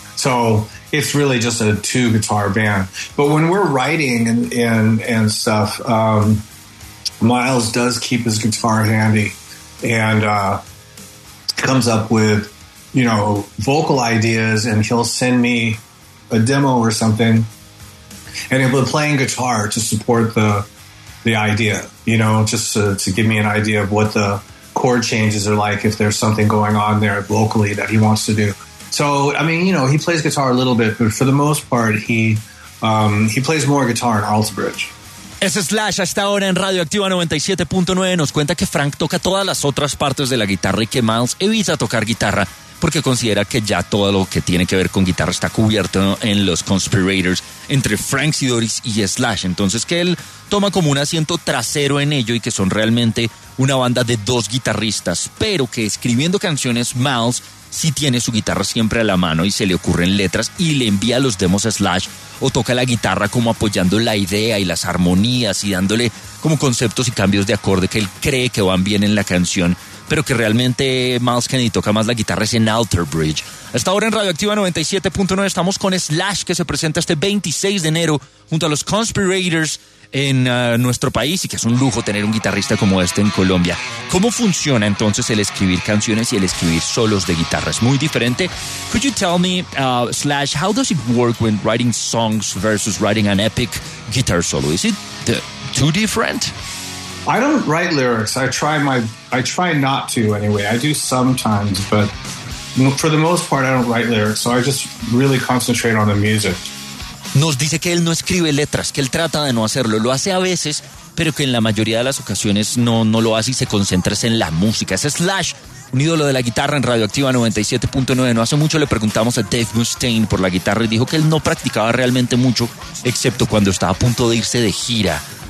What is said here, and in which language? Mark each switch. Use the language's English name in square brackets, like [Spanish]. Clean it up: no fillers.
[English] So it's really just a two guitar band. But when we're writing and stuff, Miles does keep his guitar handy and comes up with, you know, vocal ideas, and he'll send me a demo or something, and he'll be playing guitar to support the idea, you know, just to give me an idea of what the chord changes are like, if there's something going on there vocally that he wants to do. So, I mean, you know, he plays guitar a little bit, but for the most part, he plays more guitar in Alter Bridge. [Spanish] Es Slash hasta ahora en Radioactiva 97.9. Nos cuenta que Frank toca todas las otras partes de la guitarra y que Miles evita tocar guitarra porque considera que ya todo lo que tiene que ver con guitarra está cubierto en los Conspirators entre Frank Sidoris y Slash. Entonces que él toma como un asiento trasero en ello y que son realmente una banda de dos guitarristas, pero que escribiendo canciones Miles sí tiene su guitarra siempre a la mano y se le ocurren letras y le envía los demos a Slash o toca la guitarra como apoyando la idea y las armonías y dándole como conceptos y cambios de acorde que él cree que van bien en la canción, pero que realmente Miles Kennedy toca más la guitarra es en Alter Bridge. Hasta ahora en Radioactiva 97.9 estamos con Slash, que se presenta este 26 de enero junto a los Conspirators en nuestro país y que es un lujo tener un guitarrista como este en Colombia. ¿Cómo funciona entonces el escribir canciones y el escribir solos de guitarra? Es muy diferente. [English] Could you tell me, Slash, how does it work when writing songs versus writing an epic guitar solo? Is it two different? I don't write lyrics. I try not to anyway. I do sometimes, but for the most part, I don't write lyrics. So I just really concentrate on the music. [Spanish] Nos dice que él no escribe letras, que él trata de no hacerlo. Lo hace a veces, pero que en la mayoría de las ocasiones no lo hace y se concentra en la música. Es Slash, un ídolo de la guitarra en Radioactiva 97.9. No hace mucho le preguntamos a Dave Mustaine por la guitarra y dijo que él no practicaba realmente mucho, excepto cuando estaba a punto de irse de gira.